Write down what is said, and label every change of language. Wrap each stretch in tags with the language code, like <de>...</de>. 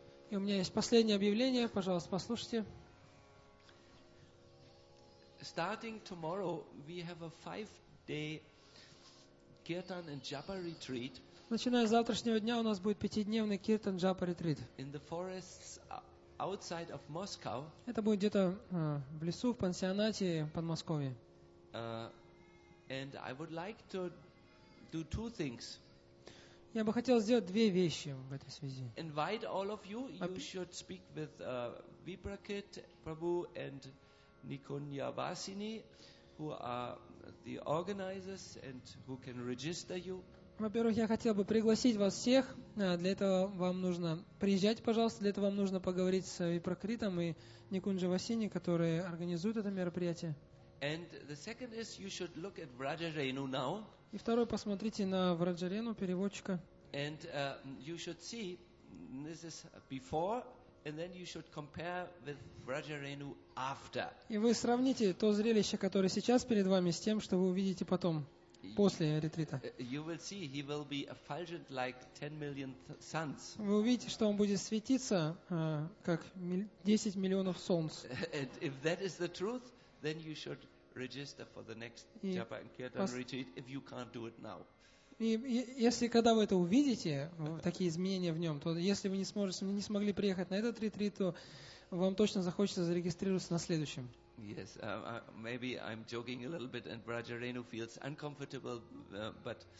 <ru>И у меня есть последнее объявление, пожалуйста, послушайте.</ru> <en>Starting tomorrow, we have a 5-day kirtan and japa retreat.</en> <ru>Начиная с завтрашнего дня у нас будет 5-дневный</ru> <en>kirtan japa retreat. In the forests outside of Moscow.</en> <ru>Это будет где-то в лесу в пансионате Подмосковье.</ru> <en>And I would like to do two things.</en> <ru>Я бы хотел сделать две вещи в этой связи.</ru> <en>Invite all of you. You should speak with Viprakit Prabhu and Nikunya Vasini, who are the organizers and who can register you.</en> <ru>Во-первых, я хотел бы пригласить вас всех. Для этого вам нужно приезжать, пожалуйста. Для этого вам нужно поговорить с Випракритом и Никунджа Васини, которые организуют это мероприятие.</ru> <en>And the second is you should look at Vrajarenu now.</en> <ru>И второе, посмотрите на Vrajarenu переводчика.</ru> <en>And you should see this is before, and then you should compare with Vrajarenu after.</en> <ru>И вы сравните то зрелище, которое сейчас перед вами, с тем, что вы увидите потом, после ретрита.</ru> <en>You will see he will be effulgent like 10 million suns.</en> <ru>Вы увидите, что он будет светиться как 10 миллионов солнц.</ru> <en>And if that is the truth. Then you should register for the next Japa and Kirtan retreat if you can't do it now.</en> <ru>Если когда вы это увидите, такие изменения в нем, то если вы не смогли приехать на этот ретрит, то вам точно захочется зарегистрироваться на следующем.</ru> <en>Yes, maybe I'm joking a little bit and Vrajarenu feels uncomfortable, but...</en>